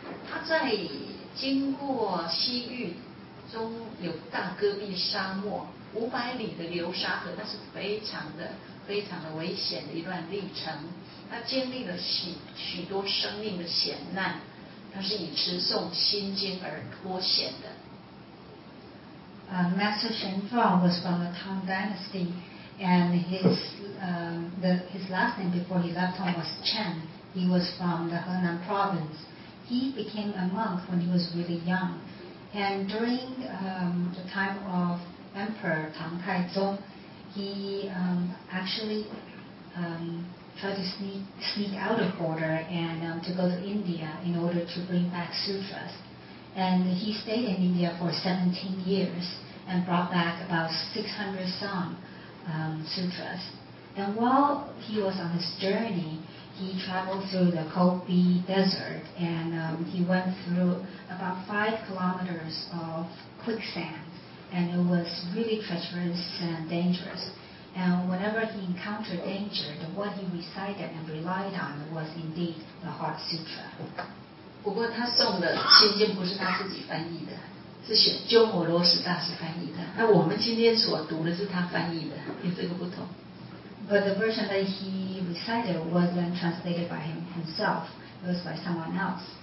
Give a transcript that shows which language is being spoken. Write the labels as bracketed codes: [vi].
[zh] 他在经过西域中有大戈壁沙漠500里的流沙河，那是非常的危险的一段历程。他经历了许多生命的险难，他是以持诵心经而脱险的。 [en] Master Shen Zhuang was from the Tang Dynasty, and his last name before he left Tang was Chen. He was from the Henan province. He became a monk when he was really young. And during the time of Emperor Tang Taizong, he tried to sneak out of border and to go to India in order to bring back sutras. And he stayed in India for 17 years and brought back about 600 some sutras. And while he was on his journey, he traveled through the Gobi Desert, and he went through about 5 kilometers of quicksand, and it was really treacherous and dangerous. And whenever he encountered danger, what he recited and relied on was indeed the Heart Sutra. [zh] 不过他送的心经不是他自己翻译的，是选鸠摩罗什大师翻译的。那我们今天所读的是他翻译的，有这个不同。 [en] But the version that he recited wasn't translated by him himself. It was by someone else.